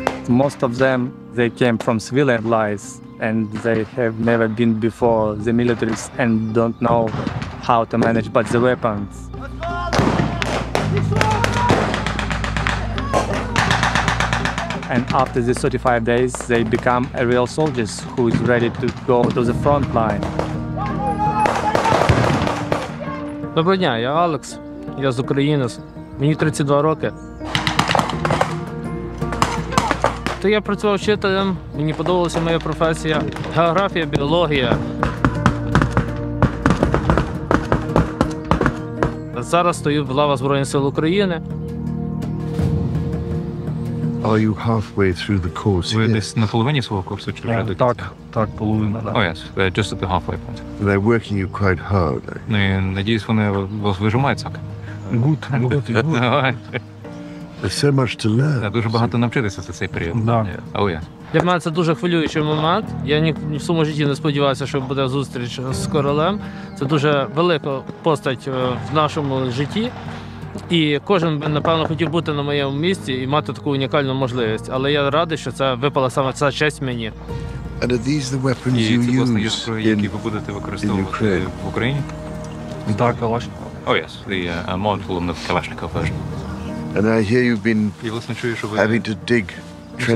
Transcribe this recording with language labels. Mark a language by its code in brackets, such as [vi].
[en] most of them, they came from civilian lives and they have never been before the military and don't know how to manage but the weapons. And after the 35 days, they become a real soldiers who is ready to go to the front line. [uk] Доброго дня, я Алекс, я з України. Мені 32 роки. То я працював вчителем, мені подобалася моя професія. Географія, біологія. Зараз стою в лавах Збройних сил України. [en] Are you halfway through the course? [uk] Ви десь на половині свого курсу? Так, половина. Так. [en] Oh yes, we're just at the halfway point. They're working you quite hard. [uk] Ну, я надіюсь, вони вас вижимають так. [en] Good. There's so much to learn. [uk] Я дуже багато навчитися за цей період. Так. [en] Oh yes. [uk] Для мене це дуже хвилюючий момент. Я ні в своєму житті не сподівався, що буде зустріч з королем. Це дуже велика постать в нашому житті. І кожен би, напевно, хотів бути на моєму місці і мати таку унікальну можливість. Але я радий, що це випала саме ця честь мені. [en] And are these the weapons you use in Ukraine? [uk] Які ви будете використовувати в Україні? Так, Калашник. [en] Oh, yes, the model of the Kalashnikov version. And I hear you've been having to dig trenches.